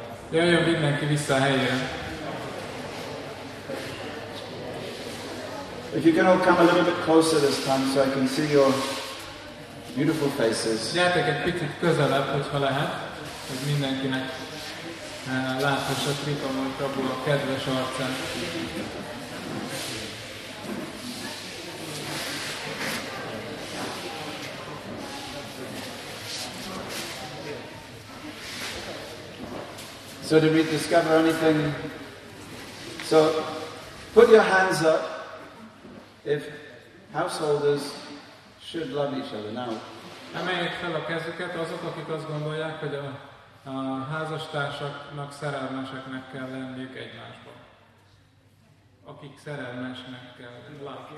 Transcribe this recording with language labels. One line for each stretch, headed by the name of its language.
Hungarian: Jöjjön mindenki vissza a helyére.
English: If you can all come a little bit closer this time so I can see your beautiful faces.
Hungarian: Gyertek egy picit közelebb, hogyha lehet, hogy mindenkinek láthassak ritom, hogy kapul a kedves arcát.
English: So did we discover anything? So put your hands up if householders should love each other now.
Hungarian: Emeljék fel a kezüket azok, akik azt gondolják, hogy a házastársaknak szerelmeseknek kell lenniük egymásba. Akik szerelmesnek kell